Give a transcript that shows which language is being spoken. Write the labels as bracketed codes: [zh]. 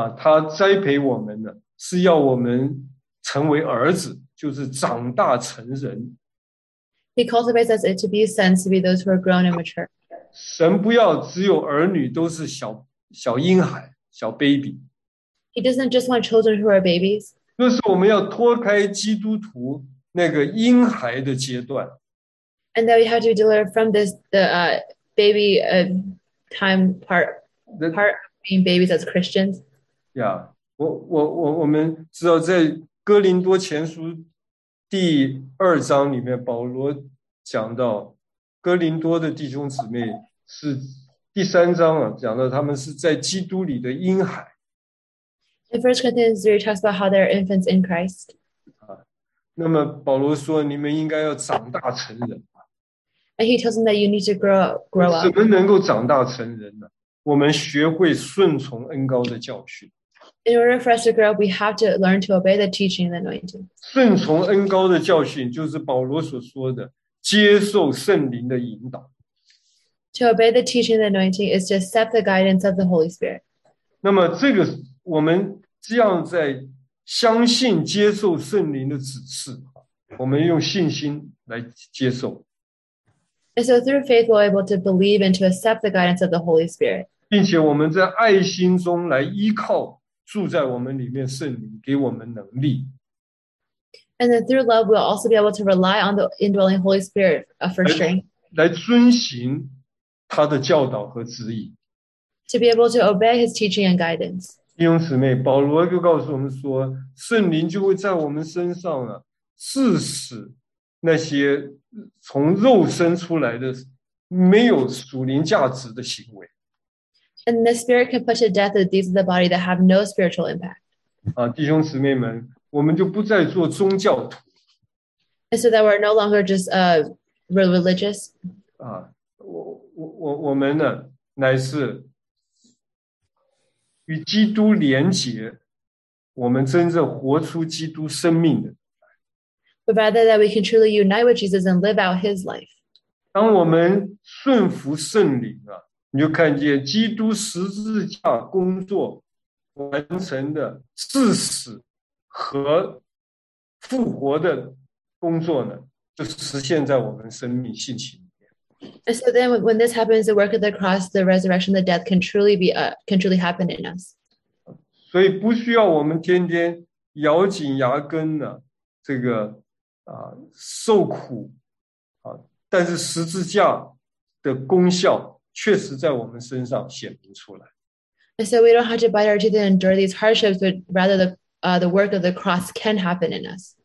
[zh] 他栽培我们的是要我们成为儿子，就是长大成人。 [en] He cultivates us to be sons, to be those who are grown and mature. [zh] 神不要只有儿女都是小婴孩，小 baby. [en] He doesn't just want children who are babies. [zh] 那是我们要脱开基督徒那个婴孩的阶段。 [en] And that we have to deliver from this, the baby, time part of being babies as Christians. [zh] Yeah, 我们知道在哥林多前书第二章里面，保罗讲到哥林多的弟兄姊妹是第三章啊，讲到他们是在基督里的婴孩。 [en] In First Corinthians 3, talks about how they're infants in Christ. [zh] 那么保罗说你们应该要长大成人。 [en] And he tells them that you need to grow up. [zh] 怎么能够长大成人呢？我们学会顺从恩膏的教训。 [en] In order for us to grow up, we have to learn to obey the teaching and anointing. [zh] 顺从恩膏的教训就是保罗所说的接受圣灵的引导。 [en] To obey the teaching and anointing is to accept the guidance of the Holy Spirit. [zh] 那么这个我们这样在相信接受圣灵的指示，我们用信心来接受。 [en] And so through faith, we're able to believe and to accept the guidance of the Holy Spirit. [zh] 并且我们在爱心中来依靠住在我们里面圣灵给我们能力。 [en] And then through love, we'll also be able to rely on the indwelling Holy Spirit for strength. [zh] 来遵行他的教导和旨意。 [en] To be able to obey his teaching and guidance. [zh] 弟兄姊妹，保罗就告诉我们说，圣灵就会在我们身上啊，致使那些从肉身出来的没有属灵价值的行为。 [en] And the Spirit can put to death the deeds of the body that have no spiritual impact. [zh] 啊，弟兄姊妹们，我们就不再做宗教徒。 [en] And so that we're no longer just religious. [zh] 啊，我们呢，乃是与基督连结，我们真正活出基督生命的。 [en] But rather that we can truly unite with Jesus and live out His life. [zh] 当我们顺服圣灵啊。你就看见基督十字架工作完成的致死和复活的工作呢，就实现在我们生命性情里面。 [en] And so then, when this happens, the work of the cross, the resurrection, the death can truly be can truly happen in us. [zh] 所以不需要我们天天咬紧牙根呢，这个啊受苦啊，但是十字架的功效。确实在我们身上显明出来。 [en] And so we don't have to bite our teeth and endure these hardships, but rather the work of the cross can happen in us.